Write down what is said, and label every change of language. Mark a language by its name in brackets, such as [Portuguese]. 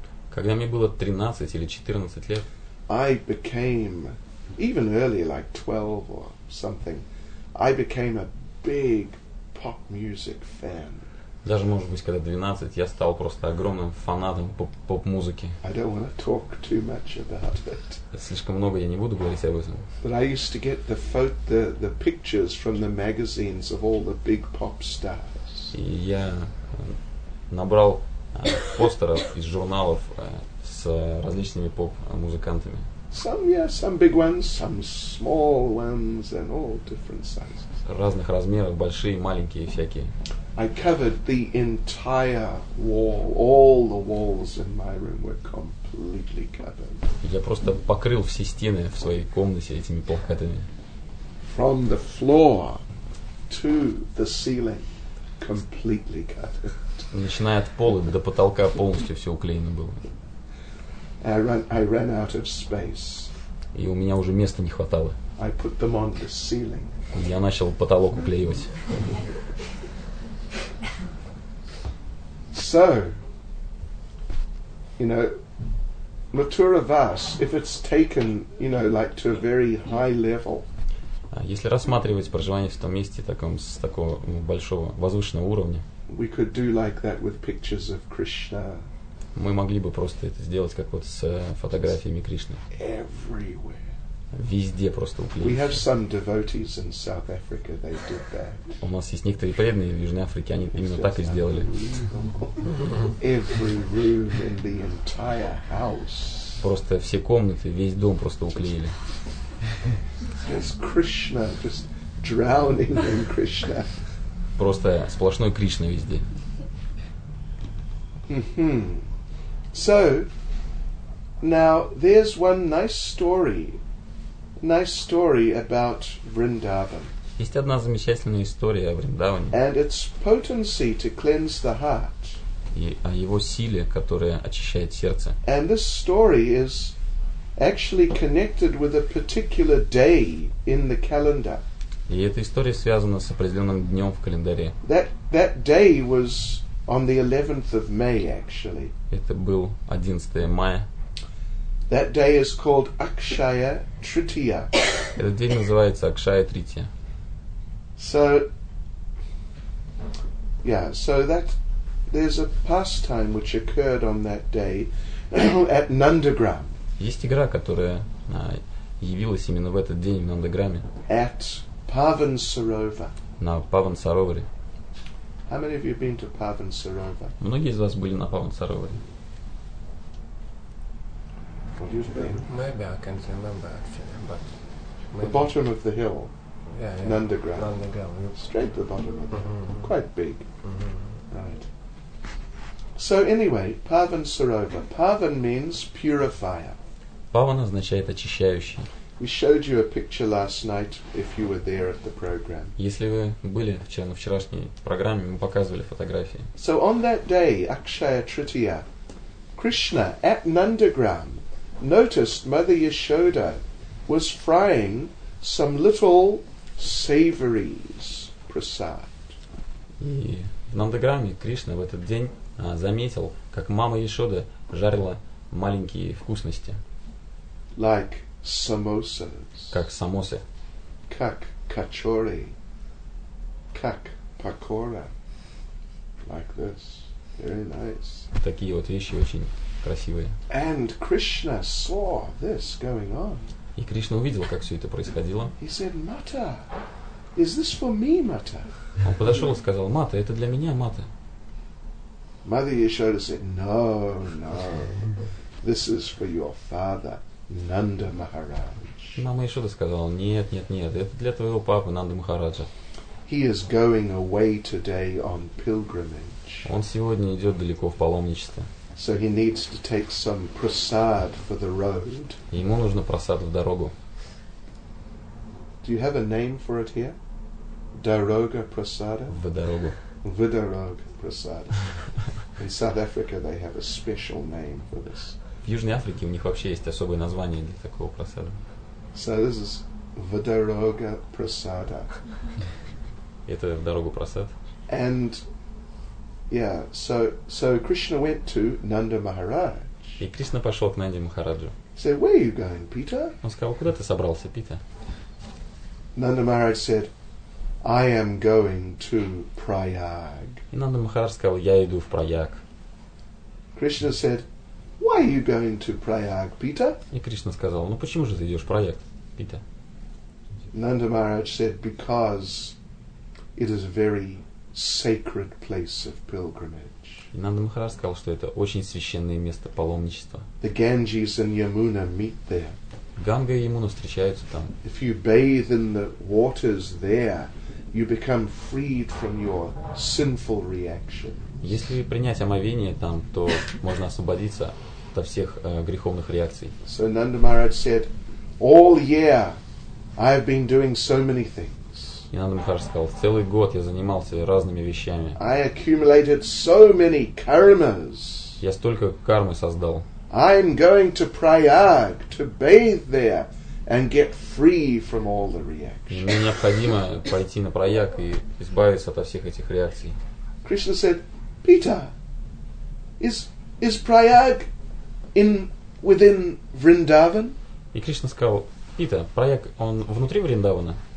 [Russian] Когда мне было 13 или 14 лет. [English] I became even earlier, like 12 or something. I became a big pop music fan. [Russian] Даже, может быть, когда 12, я стал просто огромным фанатом поп-музыки. [English] I don't want to talk too much about it. [Russian] Слишком много я не буду говорить об этом. [English] But I used to get the pictures from the magazines of all the big pop stars. [Russian] И я набрал постеров из журналов с различными поп-музыкантами. [English] Some big ones, some small ones, and all different sizes. [Russian] Разных размеров, большие, маленькие, всякие. [English] I covered the entire wall. All the walls in my room were completely covered. [Russian] Я просто покрыл все стены в своей комнате этими плакатами. [English] From the floor to the ceiling, completely covered. [Russian] Начиная от пола до потолка полностью все уклеено было. [English] I ran out of space. [Russian] И у меня уже места не хватало. [English] I put them on the ceiling. [Russian] Я начал потолок уклеивать. [English] So, you know, Mathura Vas, if it's taken, you know, like to a very high level. [Russian] Если рассматривать проживание в том месте таком с такого большого возвышенного уровня. [English] We could do like that with pictures of Krishna. [Russian] Мы могли бы просто это сделать как вот с фотографиями Кришны. [English] Everywhere. [Russian] Везде просто уклеить. [English] We have some devotees in South Africa. They did that. [Russian] У нас есть некоторые преданные в Южной Африке, они именно так и сделали. [English] Every room in the entire house. [Russian] Просто все комнаты, весь дом просто уклеили. [English] There's Krishna just drowning in Krishna. [Russian] Просто сплошной Кришна везде. [English] So, now there's one nice story. Nice story about Vrindavan. [Russian] Есть одна замечательная история о Вриндаване. [English] And its potency to cleanse the heart. [Russian] И о его силе, которая очищает сердце. [English] And this story is actually connected with a particular day in the calendar. [Russian] И эта история связана с определенным днем в календаре. [English] That day was on the 11th of May, actually. [Russian] Это был 11 мая. [English] That day is called Akshaya Tritiya. [Russian] Этот день называется Akshaya Tritiya. [English] So that there's a pastime which occurred on that day at Nandagram. [Russian] Есть игра, которая явилась именно в этот день в Нандаграме. [English] At Pavan Sarovar. [Russian] На Pavan Sarovar. [English] How many of you have been to Pavan Sarovar? [Russian] Многие из вас были на Pavan Sarovar. [English] Maybe I can't remember actually, but the bottom of the hill, yeah. Nandagram. Yep. Straight to the bottom, mm-hmm. Quite big, mm-hmm. Right. So anyway, Pavan Sarovar. Pavan means purifier. [Russian] Pavan означает очищающий. [English] We showed you a picture last night if you were there at the program. [Russian] Если вы были вчера на вчерашней программе, мы показывали фотографии. [English] So on that day, Akshaya Tritiya, Krishna at Nandagram noticed Mother Yashoda was frying some little savories prasad. [Russian] И в Нандаграме Кришна в этот день заметил, как мама Яшода жарила маленькие вкусности. [English] Like samosas. [Russian] Как самосы. Как kachori. Как pakora. [English] Like this. Very nice. [Russian] Такие вот вещи очень красивые. [English] And Krishna saw this going on. [Russian] И Кришна увидел, как все это происходило. [English] He said, Mata, is this for me, Mata? [Russian] Он подошел и сказал, Мата, это для меня, Мата. [English] Mother Yashoda said, No, this is for your father, Nanda Maharaj. [Russian] Мама Яшода сказала, нет, это для твоего папы, Нанда Махараджа. [English] He is going away today on pilgrimage. [Russian] Он сегодня идет далеко в паломничество. [English] So he needs to take some prasad for the road. [Russian] Ему нужно прасад в дорогу. [English] Do you have a name for it here? [Russian] Дорога прасада? В дорогу. В дорогу прасада. [English] In South Africa they have a special name for this. [Russian] В Южной Африке у них вообще есть особое название для такого прасада. [English] So this is [Russian] в дорогу прасада. Это в дорогу прасад. [English] And yeah, so Krishna went to Nanda Maharaj. [Russian] И Кришна пошел к Нанде Махараджу. [English] Said, where are you going, Peter? [Russian] Он сказал, куда ты собрался, Питер? [English] Nanda Maharaj said, I am going to Prayag. [Russian] И Нанда Махарадж сказал, я иду в Прайаг. [English] Krishna said, why are you going to Prayag, Peter? [Russian] И Кришна сказал, ну почему же ты идешь в Прайаг, Питер? [English] Нанда Махарадж said, because it is a very sacred place of pilgrimage. [Russian] И Нанда Махарадж сказал, что это очень священное место паломничества. [English] The Ganges and Yamuna meet there. [Russian] Ганга и Ямуна встречаются там. [English] If you bathe in the waters there, you become freed from your sinful reactions. [Russian] Если принять омовение там, то можно освободиться от всех греховных реакций. [English] So Nanda Maharaj said, all year I have been doing so many things. [Russian] И Нанда Махарадж сказал, целый год я занимался разными вещами. [English] I accumulated so many karmas. [Russian] Я столько кармы создал. [English] I'm going to Prayag to bathe there and get free from all the reactions. [Russian] Мне необходимо пойти на Прайаг и избавиться от всех этих реакций. [English] Krishna said, Peter, is Prayag within Vrindavan? [Russian] И Кришна сказал, Питер, Прайаг, он внутри Вриндавана?